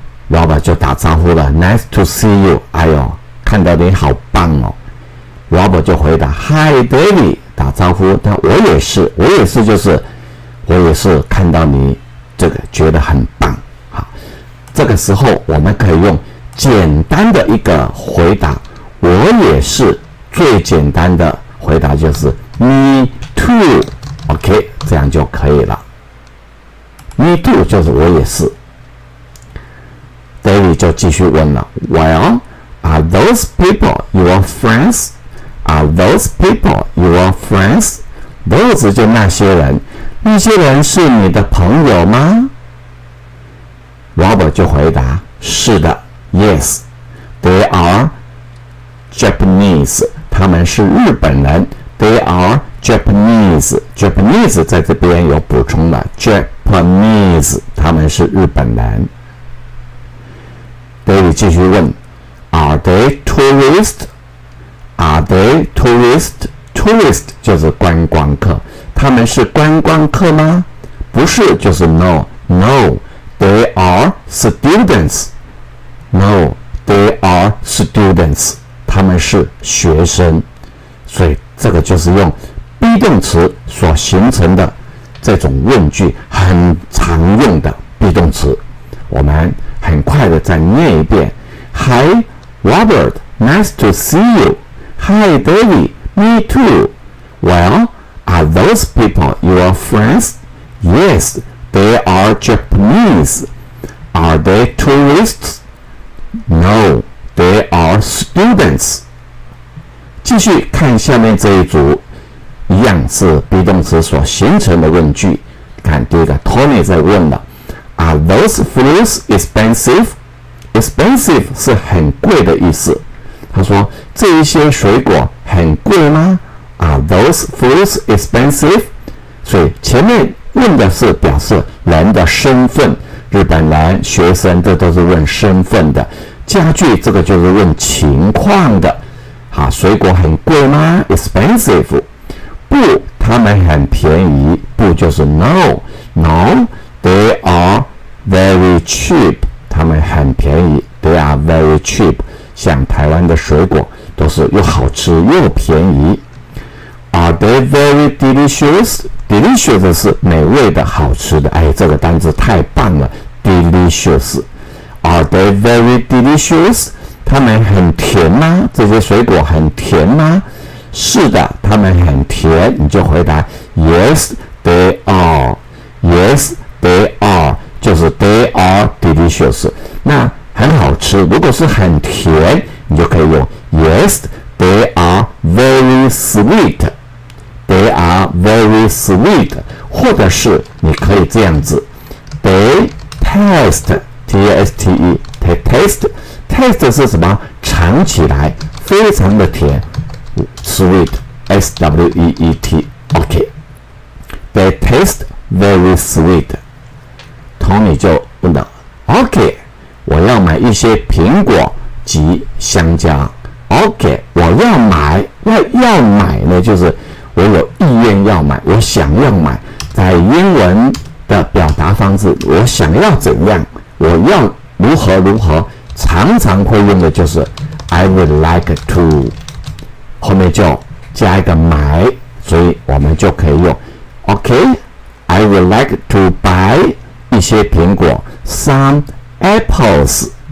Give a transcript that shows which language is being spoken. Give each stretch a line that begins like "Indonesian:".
Chinese: ”Robert 就打招呼了：
English: “Nice to see you。”
Chinese: 哎呦，看到你好棒哦！Robert 就回答：
English: “Hi, David。”
Chinese: 打招呼，但我也是，我也是，就是我也是看到你这个觉得很棒。这个时候我们可以用简单的一个回答，我也是最简单的回答就是
English: me too，
Chinese: OK，这样就可以了。
English: me too
Chinese: 就是我也是。
English: David
Chinese: 就继续问了：“
English: Well, are those people your friends? Are those people your friends?
Chinese: Those 就那些人，那些人是你的朋友吗？”
English: Robert
Chinese: 就回答：“
English: 是的，Yes, they are Japanese。
Chinese: 他们是日本人。
English: They are Japanese。
Chinese: Japanese 在这边有补充了，Japanese，他们是日本人。
English: ”David
Chinese: 继续问：“
English: Are they tourists? Are they tourists?
Chinese: Tourist 就是观光客。他们是观光客吗？不是，就是 No, No。”
English: They are students. No, they are students.
Chinese: 他们是学生，所以这个就是用 be 动词所形成的这种问句，很常用的 be 动词。我们很快的再念一遍：
English: Hi, Robert, nice to see you. Hi, David, me too. Well, are those people your friends? Yes.” They are Japanese. Are they tourists? No, they are students.
Chinese: 继续看下面这一组，一样是 be 动词所形成的问句。看第一个 ，Tony 在问了 ：
English: “Are those flutes expensive?
Chinese: Expensive 是很贵的意思。” 他说：“这一些水果很贵吗 ？”
English: Are those flutes expensive?
Chinese: 所以前面。问的是表示人的身份，日本人、学生，这都是问身份的。家具这个就是问情况的。好，水果很贵吗 ？Expensive。不，他们很便宜。不就是
English: No, they are very cheap。
Chinese: 他们很便宜 ，
English: they are very cheap。
Chinese: 像台湾的水果都是又好吃又便宜。
English: Are they very delicious?
Chinese: Delicious 是美味的、好吃的。哎，这个单字太棒了 ！Delicious，
English: are they very delicious？
Chinese: 他们很甜吗？这些水果很甜吗？是的，他们很甜。你就回答
English: ：Yes, they are. Yes, they are. 就是 they are delicious。
Chinese: 那很好吃。如果是很甜，你就可以用
English: Yes, they are very sweet. They are very sweet，
Chinese: 或者是你可以这样子
English: ，They taste, T-A-S-T-E, they taste, taste 是什么？
Chinese: 尝起来非常的甜
English: ，sweet, S-W-E-E-T, OK, they taste very sweet。
Chinese: Tony 就问了 ，OK， 我要买一些苹果及香蕉。 OK， 我要买，要买呢，就是。我有意愿要买，我想要买。在英文的表达方式，我想要怎样，我要如何如何，常常会用的就是
English: I would like to，
Chinese: 后面就加一个买，所以我们就可以用
English: OK， I would like to buy
Chinese: 一些苹果
English: some apples。